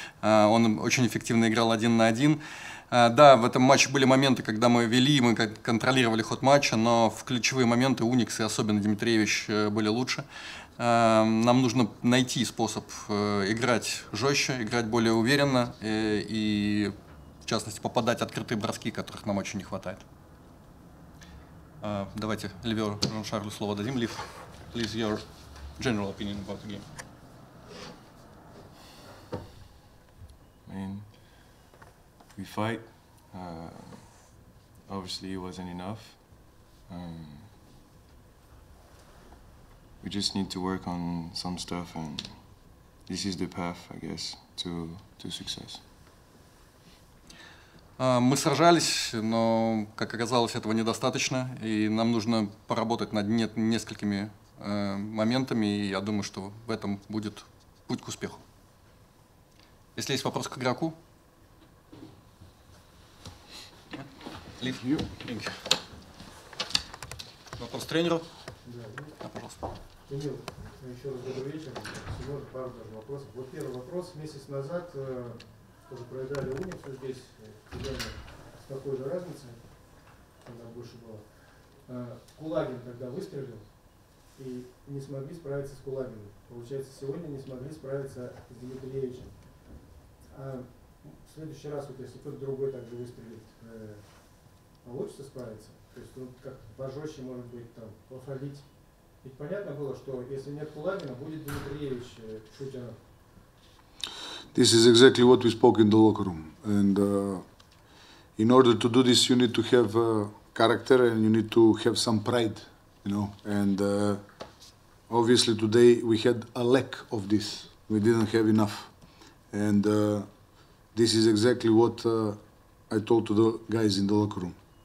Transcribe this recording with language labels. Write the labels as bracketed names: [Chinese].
[Russian] Он очень эффективно играл один на один. Да, в этом матче были моменты, когда мы вели, мы контролировали ход матча, но в ключевые моменты Уникс и особенно Дмитриевич были лучше. Нам нужно найти способ играть жестче, играть более уверенно и, в частности, попадать в открытые броски, которых нам очень не хватает. Давайте Ливио Жаншарлю слово дадим. [English] Лив, please your general opinion about the game. We fight. Obviously, it wasn't enough. We just need to work on some stuff, and this is the path, I guess, to success. [Russian] Мы сражались, но, как оказалось, этого недостаточно, и нам нужно поработать над несколькими моментами, и я думаю, что в этом будет путь к успеху. Если есть вопрос к игроку. Лив, вопрос тренеру. Да, пожалуйста. Эмил, еще раз добрый вечер. Семен, пару даже вопросов. Вот первый вопрос. Месяц назад тоже проиграли Уницу здесь, примерно с такой же разницей, когда больше было. Кулагин тогда выстрелил и не смогли справиться с Кулагиным. Получается, сегодня не смогли справиться с Дмитриевичем. А в следующий раз, вот если кто-то другой также выстрелит, получится справиться? То есть, ну, как-то пожестче, может быть, там, походить. Ведь понятно было, что если нет Кулагина, будет Дмитриевич шутером. [English] This is exactly what we spoke in the locker room. And in order to do this, you need to have character and you need to have some pride, you know. And obviously today we had a lack of this. We didn't have enough. And this is exactly what I told to the guys in the locker room.